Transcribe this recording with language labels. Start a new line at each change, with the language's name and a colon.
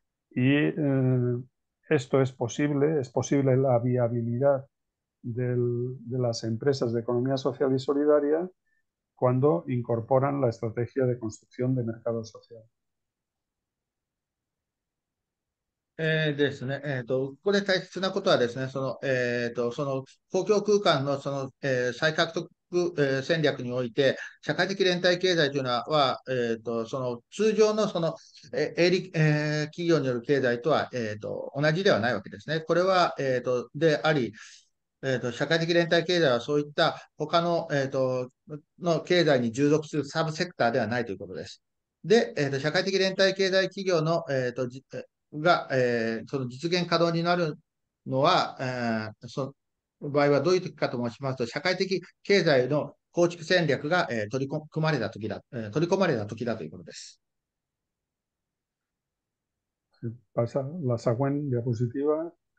Spanish: Esto es posible la viabilidad de las empresas de economía social y solidaria cuando incorporan la estrategia de construcción de mercado social.
Japanese: ですね。ここで大切なことはですね、その公共空間のその、再獲得、戦略において、社会的連帯経済というのは、その通常のその、企業による経済とは、同じではないわけですね。これは、であり、社会的連帯経済はそういった他の、の経済に従属するサブセクターではないということです。で、社会的連帯経済企業の、その実現可能になるのは、その場合はどういう時かと申しますと、社会的経済の構築戦略が、取り込まれた時だということです。
Catalan: Passa la següent diapositiva.